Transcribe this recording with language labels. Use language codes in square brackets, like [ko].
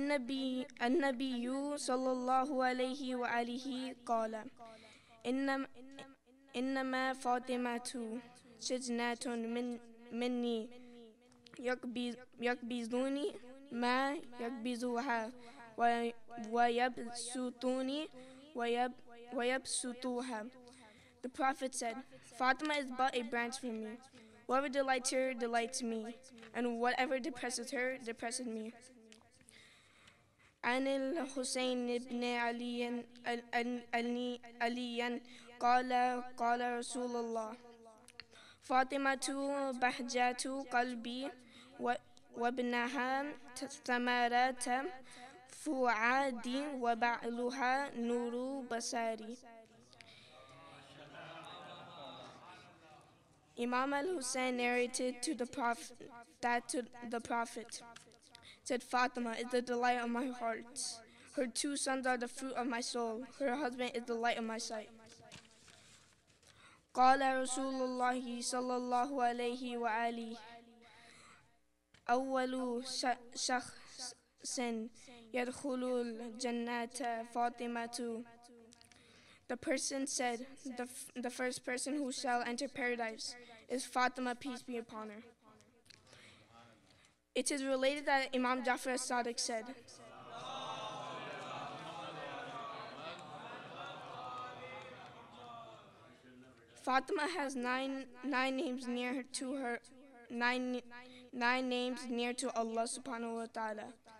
[ar] النبي صلى الله عليه وآله قال إنما فاطمة شجنة مني يقبضوني ما يقبضوها ويبسطوني ويبسطوها. [en] The Prophet said, Fatima is but a branch from me. Whoever delights her, delights me. And whatever depresses her, depresses me. [ar] عن الحسين ابن علي قال قال رسول الله فاطمة بهجة قلبي وابنها ثمرة فؤادي وبعلها نور بصري. [en] Imam al-Hussein narrated to the Prophet that to the Prophet said, Fatima is the delight of my heart. Her two sons are the fruit of my soul. Her husband is the light of my sight. [ar] قال رسول الله صلى الله عليه وآله أول شخص يدخل الجنة فاطمة. [en] The person said, the first person who shall enter paradise is Fatima, peace be upon her. It is related that Imam Jafar as-Sadiq said, Fatima has nine names near to her, nine names near to Allah subhanahu wa ta'ala.